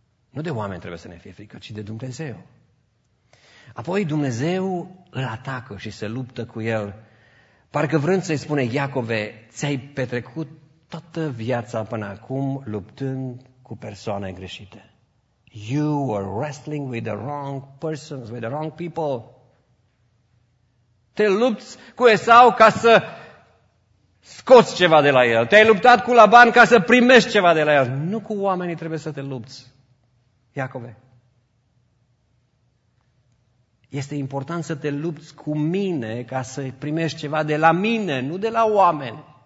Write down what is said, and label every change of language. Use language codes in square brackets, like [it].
[ro] Nu de oameni trebuie să ne fie frică, ci de Dumnezeu. Apoi Dumnezeu îl atacă și se luptă cu el, parcă vrând să-i spune: Iacove, ți-ai petrecut toată viața până acum luptând cu persoane greșite. [en] You were wrestling with the wrong persons, with the wrong people. [ro] Te lupți cu Esau ca să scoți ceva de la el. Te-ai luptat cu Laban ca să primești ceva de la el. Nu cu oamenii trebuie să te lupți, Iacove. Este important să te lupți cu mine ca să primești ceva de la mine, nu de la oameni.